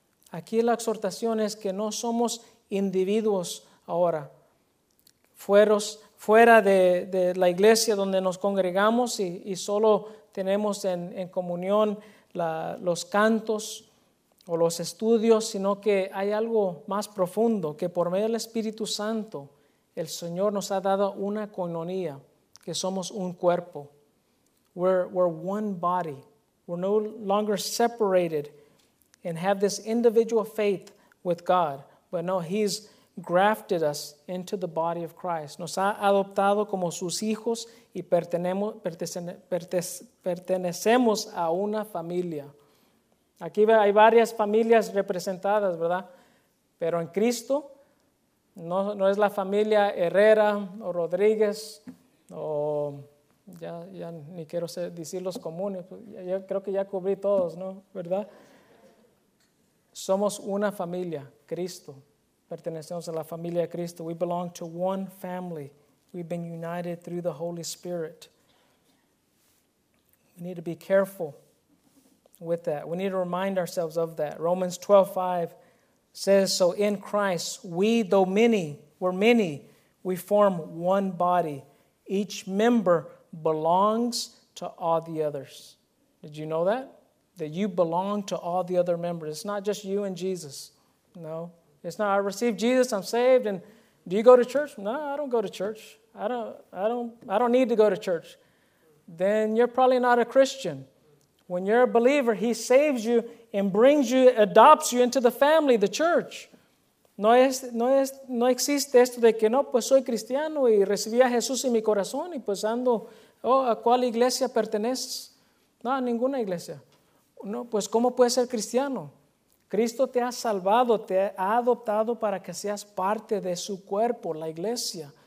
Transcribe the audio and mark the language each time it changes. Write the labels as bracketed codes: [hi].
[es] Aquí la exhortación es que no somos individuos ahora, fuera de la iglesia donde nos congregamos y solo tenemos en comunión los cantos o los estudios, sino que hay algo más profundo, que por medio del Espíritu Santo, el Señor nos ha dado una koinonía, que somos un cuerpo. [en] We're one body. We're no longer separated and have this individual faith with God. But no, He's grafted us into the body of Christ. [es] Nos ha adoptado como sus hijos y pertenecemos a una familia. Aquí hay varias familias representadas, ¿verdad? Pero en Cristo no es la familia Herrera o Rodríguez o ya ni quiero decir los comunes. Yo creo que ya cubrí todos, ¿no? ¿Verdad? Somos una familia, Cristo. Pertenecemos a la familia de Cristo. [en] We belong to one family. We've been united through the Holy Spirit. We need to be careful with that. We need to remind ourselves of that. Romans 12:5 says, so in Christ, we, though many, were many, we form one body. Each member belongs to all the others. Did you know that? That you belong to all the other members. It's not just you and Jesus. No. It's not, I received Jesus, I'm saved, and do you go to church? No, I don't go to church. I don't need to go to church. Then you're probably not a Christian. When you're a believer, he saves you and brings you, adopts you into the family, the church. [es] No existe esto de que no, pues soy cristiano y recibí a Jesús en mi corazón y pues ando, ¿a cuál iglesia perteneces? No, a ninguna iglesia. No, pues ¿cómo puedes ser cristiano? Cristo te ha salvado, te ha adoptado para que seas parte de su cuerpo, la iglesia.